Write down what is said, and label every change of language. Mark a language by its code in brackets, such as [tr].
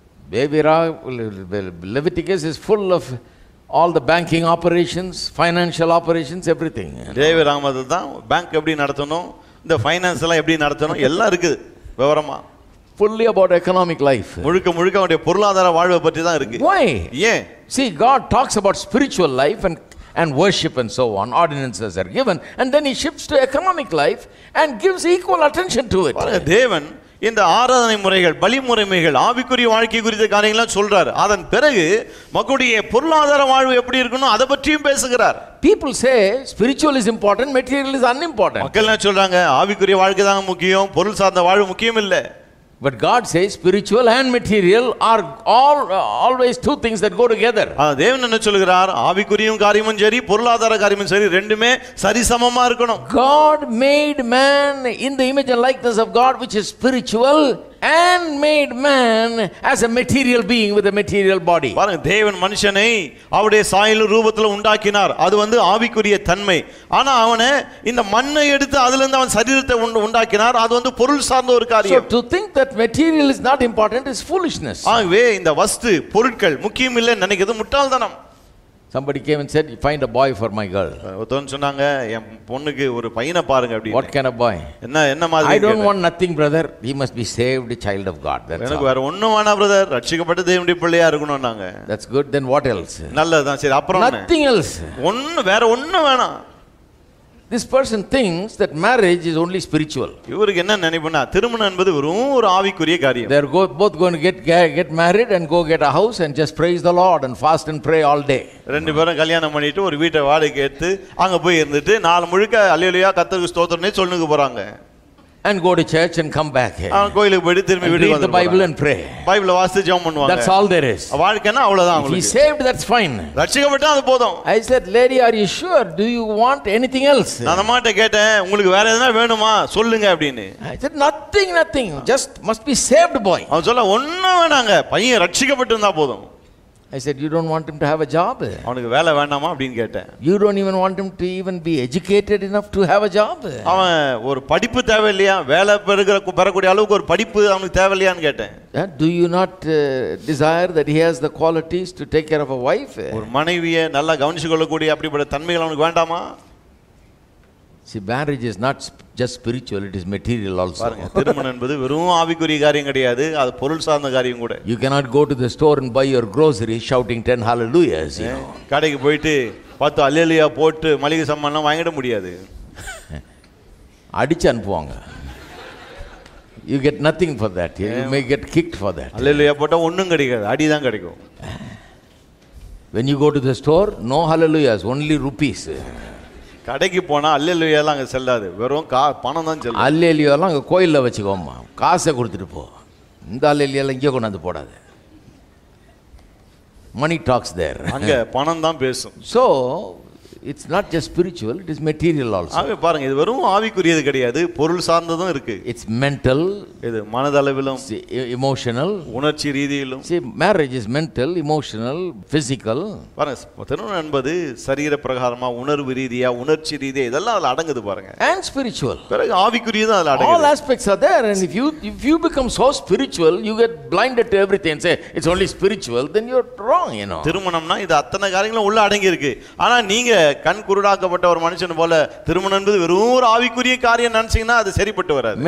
[en] Leviticus is full of all the banking operations, financial operations, everything. [ta] Devi ராமதுதா bank எப்படி நடத்தணும் இந்த finance எல்லாம் எப்படி நடத்தணும் எல்லாம் இருக்கு விவரமா. [en] Fully about economic life. [ta] முழுக்க முழுக்க அவருடைய பொருளாதார வாழ்வை பற்றி தான் இருக்கு. [en] Why? Yeah. See, God talks about spiritual life and worship and so on, ordinances are given, and then he shifts to economic life and gives equal attention to it. [ta] பாருங்க தேவன் இந்த ஆராதனை முறைகள் பலி முறைமைகள் ஆவிக்குரிய வாழ்க்கை குறித்த காரியங்களாம் சொல்றார். அதன் பிறகு மக்களுடைய பொருளாதார வாழ்வு எப்படி இருக்குன்னு அதை பற்றியும் பேசுகிறார். [en] People say spiritual is important, material is unimportant. [ta] மக்கள் என்ன சொல்றாங்க ஆவிக்குரிய வாழ்க்கை தான் முக்கியம் பொருள் சார்ந்த வாழ்வு முக்கியம் இல்லை. [en] But God says spiritual and material are always two things that go together. [ta] தேவன் என்ன சொல்கிறார் ஆவிக்குரியும் காரியமும் சரி பொருளாதார காரியமும் சரி ரெண்டுமே சரிசமமா இருக்கணும். [en] God made man in the image and likeness of God which is spiritual and made man as a material being with a material body. [ta] பாருங்க தேவன் மனுஷனை அவருடைய சாயல் ரூபத்துல உண்டாக்கினார் அது வந்து ஆவிக்குரிய தன்மை. ஆனா அவனே இந்த மண்ணை எடுத்து அதிலிருந்து அவன் சரீரத்தை உண்டாக்கினார் அது வந்து பொருள் சார்ந்த ஒரு காரியம். [en] So to think that material is not important is foolishness. [ta] ஆகவே இந்த வஸ்து பொருட்கள் முக்கியம் இல்லைன்னு நினைக்கிறது முட்டாள்தனம். [en] Somebody came and said find a boy for my girl. [ta] ஒருத்தன் சொன்னாங்க என் பொண்ணுக்கு ஒரு பையனை பாருங்க அப்படி. [en] What kind of boy? [ta] என்ன என்ன மாதிரி? [en] I don't want nothing brother. He must be saved child of God. That's [ta] எனக்கு வேற ஒண்ணும் வேணாம் brother. ரட்சிக்கப்பட்ட தேவனுடைய பிள்ளையா இருக்கணும் நாங்க. [en] That's good. Then what else? [ta] நல்லதா சரி அப்புறம் [en] nothing else. [ta] ஒண்ணு வேற ஒண்ணும் வேணாம். [en] This person thinks that marriage is only spiritual. [ta] இவருக்கு என்ன நினைப்புனா திருமணம் என்பது வெறும் ஒரு ஆவிக்குரிய காரியம். [en] They are both going to get married and go get a house and just praise the Lord and fast and pray all day. [ta] ரெண்டு பேரும் கல்யாணம் பண்ணிட்டு ஒரு வீட்டை வாடகை கேட்டு அங்க போய் இருந்துட்டு நாலு முழுக்க அல்லேலூயா கர்த்தருக்கு ஸ்தோத்திரம்னே சொல்லுங்க போறாங்க. [en] And go to church and come back. [ta] கோயிலுக்கு போய் திரும்பி வீடு வந்து [en] the Bible and pray. [ta] பைபிள வாசித்து ஜெபம் பண்ணுவாங்க. [en] That's all there is. [ta] வாழ்க்கைனா அவ்வளவுதான் உங்களுக்கு. [en] He saved, that's fine. [ta] ரட்சிக்கப்பட்டா அது போதும். [en] I said lady are you sure do you want anything else? [ta] நான் அம்மாட்ட கேட்டேன் உங்களுக்கு வேற ஏதாவது வேணுமா சொல்லுங்க அப்படினு. [en] I said nothing just must be saved boy. [ta] அவன் சொல்ல ஒண்ணும் வேணாங்க பையன் ரட்சிக்கப்பட்டிருந்தா போதும். [en] I said you don't want him to have a job. [ta] அவனுக்கு வேலை வேணாமா அப்படினு கேட்டேன். [en] You don't even want him to even be educated enough to have a job. [ta] அவன் ஒரு படிப்பு தேவ இல்லையா வேலை பெறக்கூடிய அளவுக்கு ஒரு படிப்பு அவனுக்கு தேவ இல்லையான்னு கேட்டேன். [en] Do you not desire that he has the qualities to take care of a wife? [ta] ஒரு மனைவியே நல்லா கவனிச்சுக்கொள்ளக்கூடிய அப்படிப்பட்ட தன்மைகள் அவனுக்கு வேண்டாமா? [en] See, marriage is not just spiritual, it is material also. [ta] திருமணம் என்பது வெறும் ஆவிக்குரிய காரியம் கிடையாது அது பொருள் சார்ந்த காரியம் கூட. [en] You cannot go to the store and buy your groceries shouting 10 hallelujahs. [ta] கடைக்கு போயிட்டு 10 அல்லேலூயா போட்டு மளிகை சாமான்லாம் வாங்கிட முடியாது. அடிச்சு அனுப்புவாங்க. [en] You get nothing for that. You may get kicked for that. [ta] அல்லேலூயா போட்டால் ஒன்றும் கிடைக்காது அடி தான் கிடைக்கும். [en] When you go to the store, no hallelujahs, only rupees. [ta] கடைக்கு போனா அல்லேலூயாலாம் அங்க செல்லாது, வெறும் பணம் தான் செல்லும். அல்லேலூயாலாம் அங்க கோயில்ல வச்சுக்கோமா, காசை கொடுத்துட்டு போ. இந்த அல்லேலூயாலாம் இங்கே கொண்டாந்து போடாது. [en] money talks there, [ta] அங்க பணம் தான் பேசும். [en] So it's not just spiritual, it is material also. [ta] ஆவி பாருங்க, இது வெறும் ஆவிக்குரியது கிடையாது, பொருள் சார்ந்ததும் இருக்கு. [en] it's mental, [ta] இது மனதளவிலும் [en] emotional, [ta] உணர்ச்சி ரீதியிலும். [en] see, marriage is mental, emotional, physical. [ta] பாருங்க, தினம் என்பது சரீர பிரகாரமா, உணர்வு ரீதியா, உணர்ச்சி ரீதியா, இதெல்லாம் அதுல அடங்குது பாருங்க. [en] and spiritual. [ta] பிறகு ஆவிக்குரியது அதுல அடங்குது. [en] all aspects are there, and if you become so spiritual you get blinded to everything and say it's only spiritual, then you're wrong, you know. [ta] திருமணம்னா இது அத்தனை காரியங்களும் உள்ள அடங்கி இருக்கு, ஆனா நீங்க கண் குருடாக்கப்பட்ட ஒரு மனுஷன் போல திருமணம் என்பது வெறும் ஒரு ஆவிக்குரிய காரியம் நினைச்சீங்கன்னா அது சரிப்பட்டு வராது.